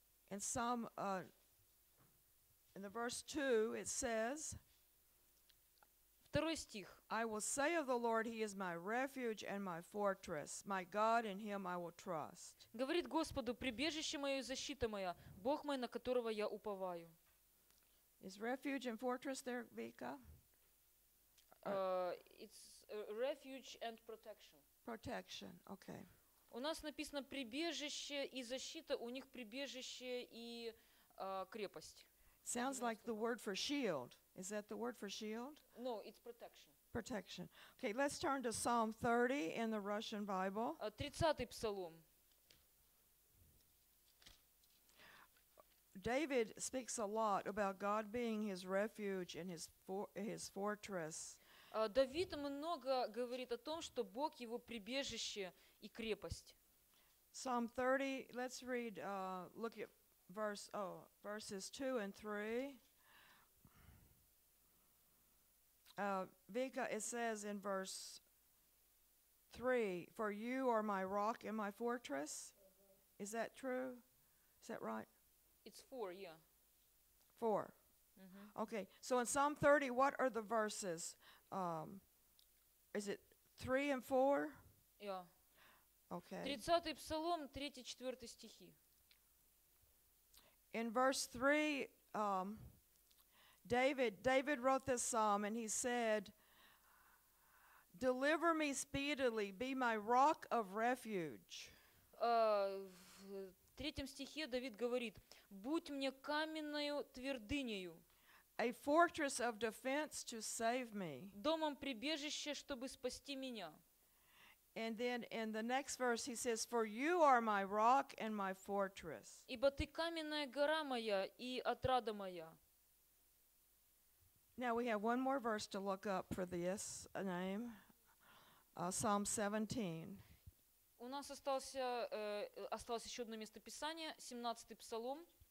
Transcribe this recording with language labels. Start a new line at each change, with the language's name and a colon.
English: In Psalm, in the verse 2, it says,
Russian: Второй стих.
English: I will say of the Lord, He is my refuge and my fortress, my God, in Him I will trust.
Russian: Говорит Господу, прибежище мое и защита моя, Бог мой, на которого я уповаю.
English: Is refuge and fortress there, Vika? It's refuge and protection. Protection, okay.
Russian: У нас написано прибежище и защита, у них прибежище и крепость.
English: Sounds like the word for shield. Is that the word for shield? No, it's protection. Protection. Okay, let's turn to Psalm 30 in the Russian Bible.
Russian: 30-й псалом.
English: David speaks a lot about God being his refuge and his fortress.
Russian: Давид много говорит о том, что Бог его прибежище и крепость.
English: Psalm 30, let's read, look at verses 2 and 3. Vika, it says in verse 3, for you are my rock and my fortress. Is that true? Is that right? It's 4, yeah. 4. Mm-hmm. Okay, so in Psalm 30, what are the verses? Is it 3 and 4? Yeah. Okay.
Russian: 30-й псалом, 3-4 стихи.
English: In verse 3, David wrote this psalm, and he said, deliver me speedily, be my rock of refuge.
Russian: В 3-м стихе Давид говорит, будь мне каменною твердынею.
English: A fortress of defense to save me.
Russian: Домом прибежище, чтобы спасти меня.
English: And then in the next verse he says, for you are my rock and my fortress.
Russian: Ибо ты каменная гора моя и отрада моя.
English: Now we have one more verse to look up for this name. Psalm 17.
Russian: У нас осталось еще одно место писания, 17-й псалом.